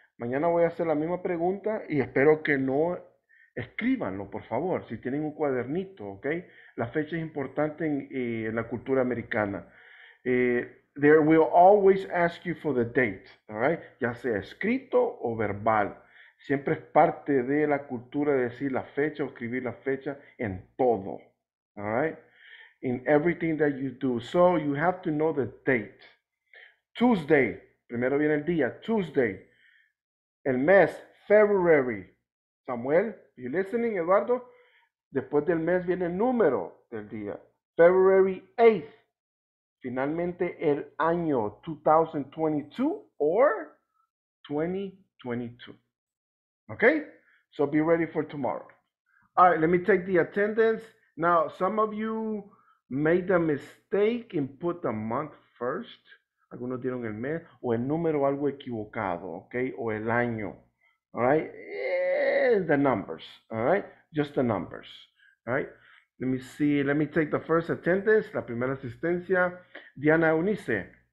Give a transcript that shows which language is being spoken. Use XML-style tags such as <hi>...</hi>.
<es>Mañana voy a hacer la misma pregunta y espero que no... Escríbanlo, por favor, si tienen un cuadernito, ¿ok? La fecha es importante en la cultura americana.</es> <en>They will always ask you for the date, all right?</en> <es>Ya sea escrito o verbal. Siempre es parte de la cultura decir la fecha o escribir la fecha en todo, all right?</es> <en>In everything that you do. So, you have to know the date.</en> <es>Tuesday, primero viene el día, Tuesday. El mes, February.</es> <en>Samuel, you listening, Eduardo?</en> <es>Después del mes viene el número del día. February 8th. Finalmente el año 2022 or 2022. Okay?</es> <en>So be ready for tomorrow. All right, let me take the attendance. Now, some of you made the mistake and put the month first.</en> <es>Algunos dieron el mes o el número algo equivocado, okay? O el año.</es> <en>All right? The numbers, all right? Just the numbers, all right? Let me see. Let me take the first attendance,</en> <es>la primera asistencia.</es> <en>Diana Eunice.</en>